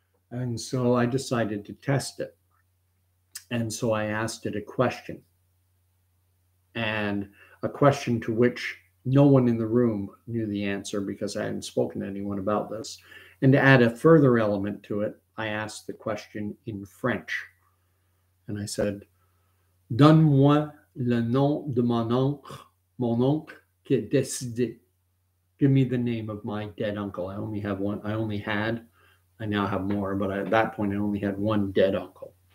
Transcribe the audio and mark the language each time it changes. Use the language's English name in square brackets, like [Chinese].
[English] And so I decided to test it. And so I asked it a question. And a question to which no one in the room knew the answer, because I hadn't spoken to anyone about this. And to add a further element to it, I asked the question in French. And I said, [French] donne-moi le nom de mon oncle qui est décédé. [English] Give me the name of my dead uncle. I now have more, but at that point I only had one dead uncle.